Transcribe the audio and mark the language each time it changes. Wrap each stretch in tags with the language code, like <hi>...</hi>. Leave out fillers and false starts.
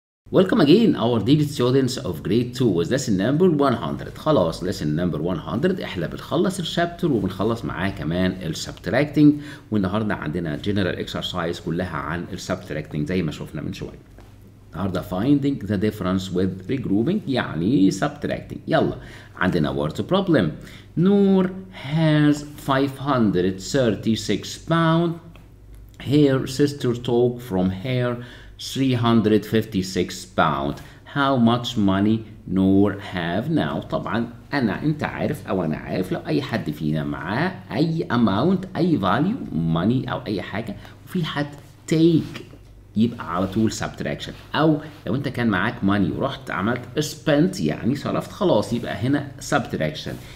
<en>Welcome again our dear students of grade 2 with lesson number 100.</en> <ar>خلاص</ar> <en>lesson number 100</en> <ar>احنا بنخلص الشابتر وبنخلص معاه كمان السبتراكتنج والنهارده عندنا جنرال اكسرسايز كلها عن السبتراكتنج زي ما شفنا من شويه.</ar> <en>النهارده finding the difference with regrouping يعني subtracting.</en> <ar>يلا عندنا word problem.</ar> <en>Noor has 536 pound. Her sister took from her 356 pound. How much money Noor have now?</en> <ar>طبعا انا انت عارف او انا عارف لو اي حد فينا معاه اي amount اي value money او اي حاجة وفي حد take يبقى على طول subtraction او لو انت كان معاك money ورحت عملت spent يعني صرفت خلاص يبقى هنا subtraction.</ar>